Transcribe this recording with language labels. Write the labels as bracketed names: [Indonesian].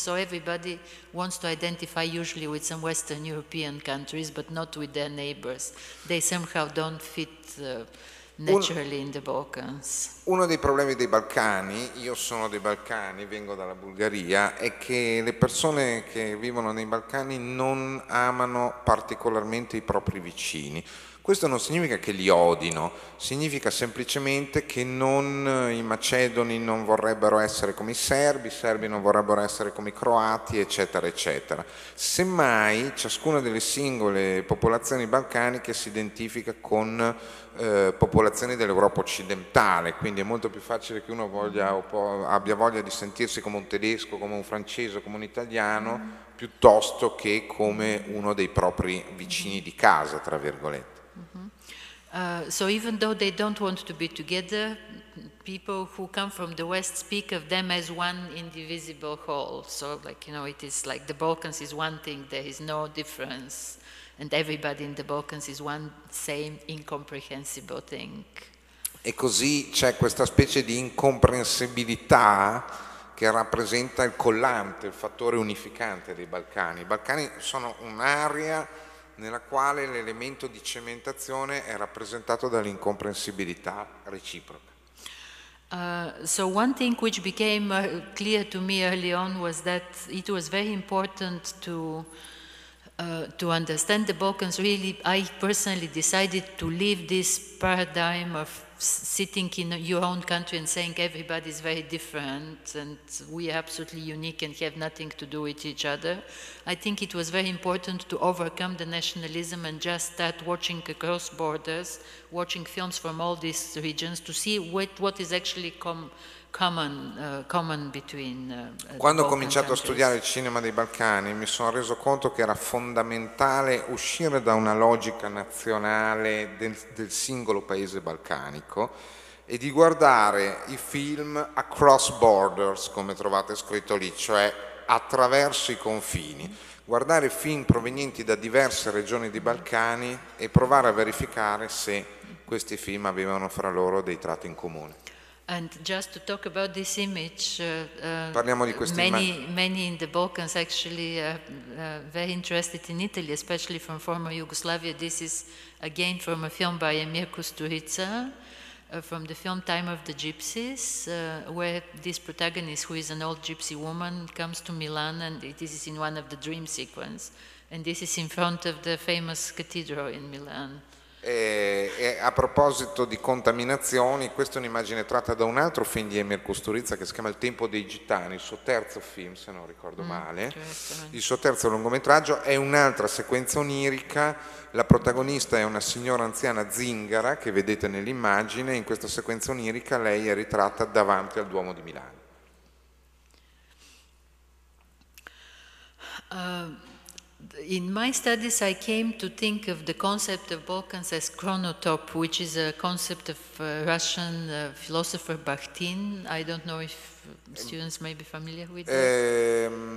[English] So everybody wants to identify usually with some Western European countries, but not with their neighbors. They somehow don't fit naturally in the Balkans. [Italian] Uno dei problemi dei Balcani, io sono dei Balcani, vengo dalla Bulgaria, è che le persone che vivono nei Balcani non amano particolarmente i propri vicini. Questo non significa che li odino, significa semplicemente che non, i macedoni non vorrebbero essere come i serbi non vorrebbero essere come i croati, eccetera, eccetera. Semmai ciascuna delle singole popolazioni balcaniche si identifica con popolazioni dell'Europa occidentale, quindi è molto più facile che uno voglia, abbia voglia di sentirsi come un tedesco, come un francese, come un italiano, piuttosto che come uno dei propri vicini di casa, tra virgolette. [English] So even though they don't want to be together, people who come from the West speak of them as one indivisible whole. So, like, you know, it is like the Balkans is one thing, there is no difference, and everybody in the Balkans is one same incomprehensible thing. [Italian] E così c'è questa specie di incomprensibilità che rappresenta il collante, il fattore unificante dei Balcani. I Balcani sono un'area nella quale l'elemento di cementazione è rappresentato dall'incomprensibilità reciproca. [English] So one thing which became clear to me early on was that it was very important to understand the Balkans. Really, I personally decided to leave this paradigm of sitting in your own country and saying everybody is very different and we are absolutely unique and have nothing to do with each other. I think it was very important to overcome the nationalism and just start watching across borders, watching films from all these regions to see what is actually common between [Italian] Quando ho cominciato [English] countries. [Italian] A studiare il cinema dei Balcani, mi sono reso conto che era fondamentale uscire da una logica nazionale del singolo paese balcanico e di guardare i film [English] across borders, [Italian] come trovate scritto lì, cioè attraverso i confini. Guardare film provenienti da diverse regioni dei Balcani e provare a verificare se questi film avevano fra loro dei tratti in comune. [English] And just to talk about this image, [Italian] parliamo di questa [English] many in the Balkans actually very interested in Italy, especially from former Yugoslavia. This is again from a film by Emir Kusturica, from the film Time of the Gypsies, where this protagonist, who is an old gypsy woman, comes to Milan, and this is in one of the dream sequences, and this is in front of the famous cathedral in Milan. [Italian] E a proposito di contaminazioni, questa è un'immagine tratta da un altro film di Emir Kusturica che si chiama Il tempo dei gitani, il suo terzo film, se non ricordo male, il suo terzo lungometraggio. È un'altra sequenza onirica, la protagonista è una signora anziana zingara che vedete nell'immagine. In questa sequenza onirica lei è ritratta davanti al Duomo di Milano. [English] In my studies, I came to think of the concept of Balkans as chronotope, which is a concept of Russian philosopher Bakhtin. I don't know if students may be familiar with that.